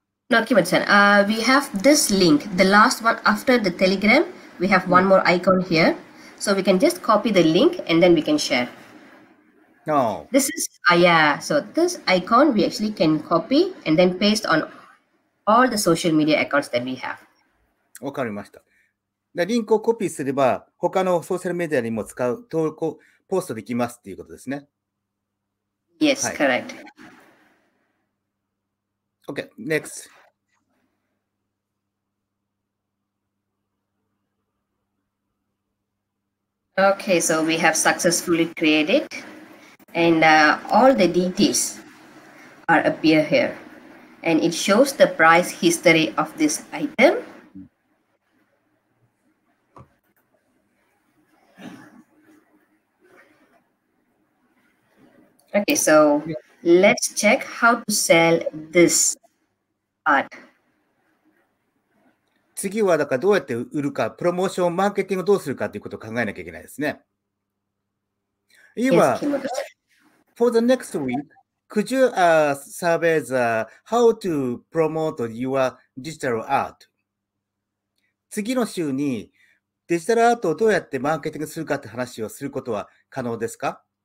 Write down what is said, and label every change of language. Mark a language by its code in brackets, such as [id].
[en] No, Kimetsu-san, we have this link, the last one after the Telegram, we have one more icon here. So we can just copy the link and then we can share. No. This is, so this icon we actually can copy and then paste on all the social media accounts that we have. [ja] わかりました。でリンクをコピーすれば、他のソーシャルメディアにも使う、投稿、ポストできますっていうことですね。 [en] Yes,、 [ja] はい、 [en] correct. Okay, next. Okay, so we have successfully created, and all the details are appear here. And it shows the price history of this item. Okay, so let's check how to sell this art. [ja] 次はだからどうやって売るか、プロモーション、マーケティングをどうするかということを考えなきゃいけないですね。今、 [en] for the next week, could you survey the how to promote your digital art? [ja] 次の週にデジタルアートをどうやってマーケティングするかって話をすることは可能ですか？